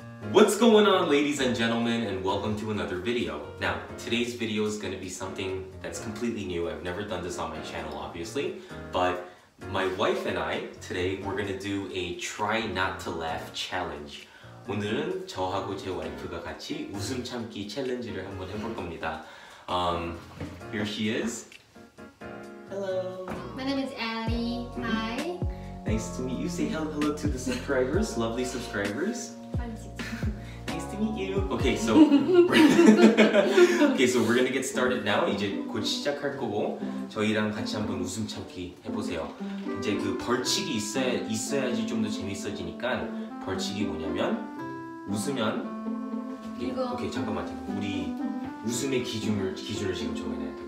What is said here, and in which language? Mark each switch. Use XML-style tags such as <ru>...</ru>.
<en>What's going on, ladies and gentlemen, and welcome to another video. Now, today's video is going to be something that's completely new. I've never done this on my channel, obviously, but my wife and I, today, we're going to do a try not to laugh challenge.</en> <ko>오늘은 저하고 제 와이프가 같이 웃음 참기 챌린지를 한번 해볼 겁니다.</ko> <en>Here she is. Hello. My name is Addie. Hi. Nice to meet you. Say hello, hello to the subscribers, lovely subscribers. Okay, so okay, so we're gonna get started now.</en> <ko>이제 곧 시작할 거고 저희랑 같이 한번 웃음 참기 해보세요. 이제 그 벌칙이 있어야지 좀 더 재밌어지니까 벌칙이 뭐냐면 웃으면 이거 오케이 잠깐만 우리 웃음의 기준을 지금 정해야 돼.</ko>